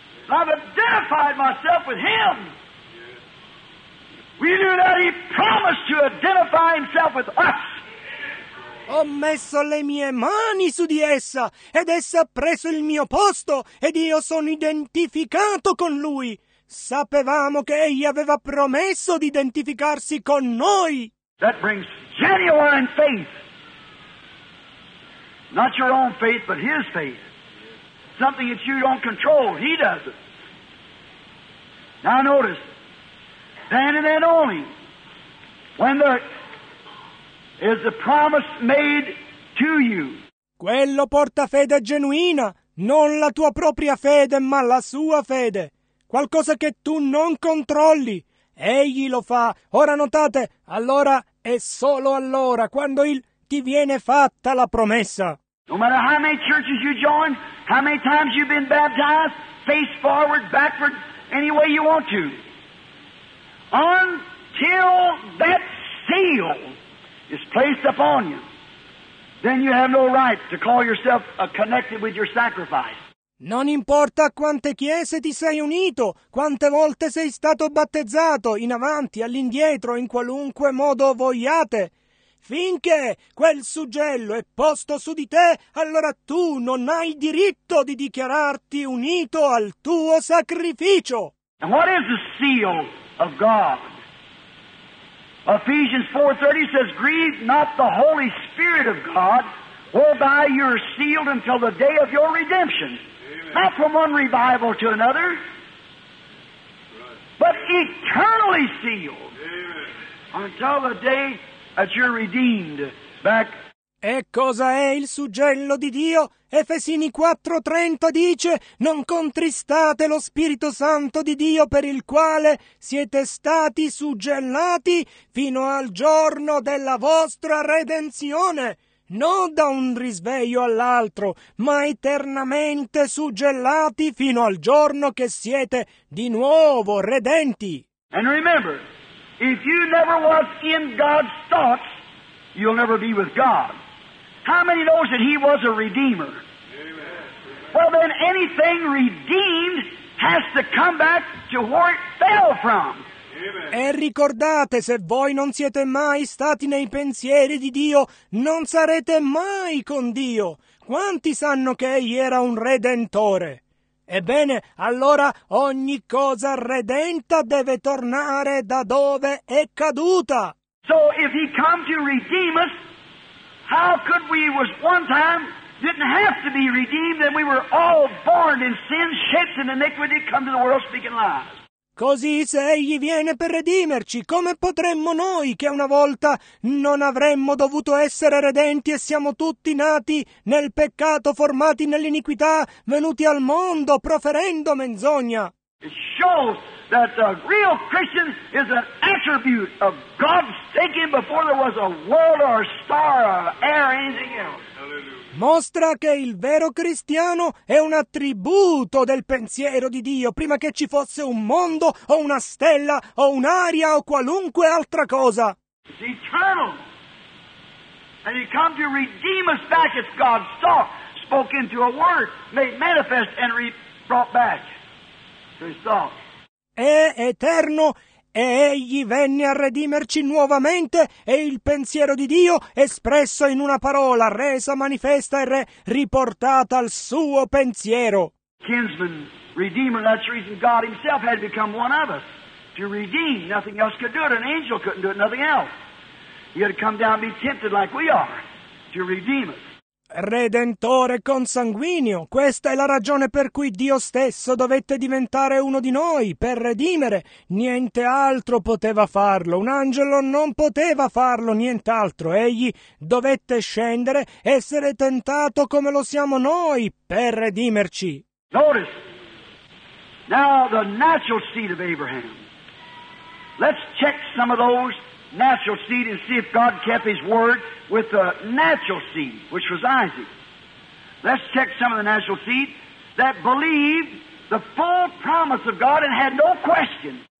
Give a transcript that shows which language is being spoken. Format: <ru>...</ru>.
<en>I've identified myself with him. We knew that he promised to identify himself with us.</en> <it>Ho messo le mie mani su di essa, ed essa ha preso il mio posto, ed io sono identificato con lui. Sapevamo che egli aveva promesso di identificarsi con noi.</it> <en>That brings genuine faith. Not your own faith, but his faith. Something that you don't control. He does it. Now notice, then and then only, when there is the promise made to you.</en> <it>Quello porta fede genuina, non la tua propria fede, ma la sua fede. Qualcosa che tu non controlli, egli lo fa. Ora notate, allora e solo allora, quando il ti viene fatta la promessa.</it> <en>No matter how many churches you join, how many times you've been baptized, face forward, backward, any way you want to. Until that seal is placed upon you, then you have no right to call yourself connected with your sacrifice.</en> <it>Non importa quante chiese ti sei unito, quante volte sei stato battezzato, in avanti, all'indietro, in qualunque modo vogliate. Finché quel suggello è posto su di te, allora tu non hai diritto di dichiararti unito al tuo sacrificio.</it> <en>And what is the seal of God? Ephesians 4:30 says, grieve not the Holy Spirit of God, whereby you're sealed until the day of your redemption. Not from one revival to another, but eternally sealed. Amen. Until the day that you're redeemed back.</en> <it>E cosa è il suggello di Dio? Efesini 4:30 dice: non contristate lo Spirito Santo di Dio, per il quale siete stati suggellati fino al giorno della vostra redenzione. Non da un risveglio all'altro, ma eternamente suggellati fino al giorno che siete di nuovo redenti.</it> <en>And remember, if you never was in God's thoughts, you'll never be with God. How many knows that He was a redeemer? Amen. Well then, anything redeemed has to come back to where it fell from.</en> <it>E ricordate, se voi non siete mai stati nei pensieri di Dio, non sarete mai con Dio. Quanti sanno che Egli era un Redentore? Ebbene, allora ogni cosa redenta deve tornare da dove è caduta.</it> <en>So if He come to redeem us, how could we was one time didn't have to be redeemed and we were all born in sin, shaped in iniquity, come to the world speaking lies?</en> <it>Così, se Egli viene per redimerci, come potremmo noi, che una volta non avremmo dovuto essere redenti e siamo tutti nati nel peccato, formati nell'iniquità, venuti al mondo proferendo menzogna?</it> <en>It shows that the real Christian is an attribute of God's thinking before there was a world or a star or air or anything else.</en> <it>Mostra che il vero cristiano è un attributo del pensiero di Dio prima che ci fosse un mondo o una stella o un'aria o qualunque altra cosa.</it> <en>It's eternal. And He come to redeem us back as God's thought, spoken to a word, made manifest and brought back to His thought.</en> <it>È eterno. E Egli venne a redimerci nuovamente, e il pensiero di Dio, espresso in una parola, resa manifesta e riportata al suo pensiero.</it> <en>Kinsman, Redeemer, that's the reason God Himself had become one of us. To redeem, nothing else could do it. An angel couldn't do it, nothing else. He had to come down and be tempted like we are, to redeem us.</en> <it>Redentore consanguineo, questa è la ragione per cui Dio stesso dovette diventare uno di noi, per redimere. Niente altro poteva farlo, un angelo non poteva farlo, nient'altro. Egli dovette scendere, essere tentato come lo siamo noi, per redimerci.</it> <en>Notice, now the natural seed of Abraham. Let's check some of those natural seed and see if God kept His word with the natural seed, which was Isaac. Let's check some of the natural seed that believed the full promise of God and had no question.</en>